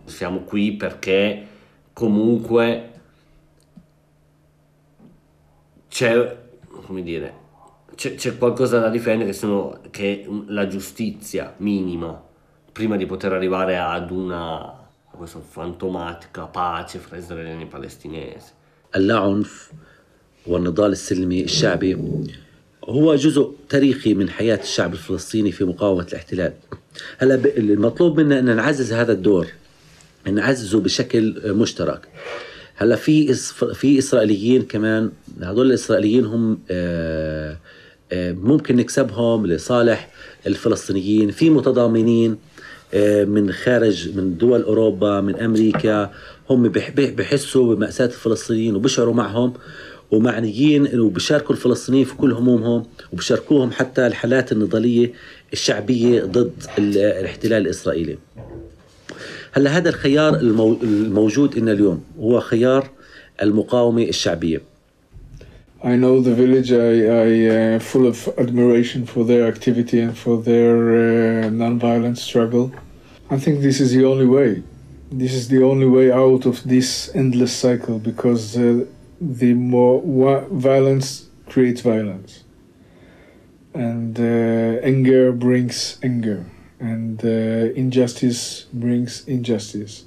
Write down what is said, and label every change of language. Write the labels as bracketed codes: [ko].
[it] Siamo qui perché comunque c'è, come dire, c'è qualcosa da difendere, che è la giustizia minima, prima di poter arrivare ad una, a questa fantomatica pace fra israeliani e palestinesi. [ar] العنف والنضال السلمي الشعبي هو جزء تاريخي من حياة الشعب الفلسطيني في مقاومة الاحتلال. هلا المطلوب منا ان نعزز هذا الدور, نعززه بشكل مشترك. هلا في اسرائيليين كمان, هذول الاسرائيليين هم ممكن نكسبهم لصالح الفلسطينيين. في متضامنين من خارج, من دول اوروبا, من امريكا, هم بحسوا بمأساة الفلسطينيين وبشعروا معهم ومعنيين وبشاركوا الفلسطينيين في كل همومهم وبشاركوهم حتى الحالات النضالية الشعبية ضد الاحتلال الإسرائيلي. هلا هذا الخيار الموجود إنا اليوم هو خيار المقاومة الشعبية. [en] I know the village. I full of admiration for their activity and for their non-violent struggle. I think this is the only way. This is the only way out of this endless cycle, because the more violence creates violence, and anger brings anger, and injustice brings injustice.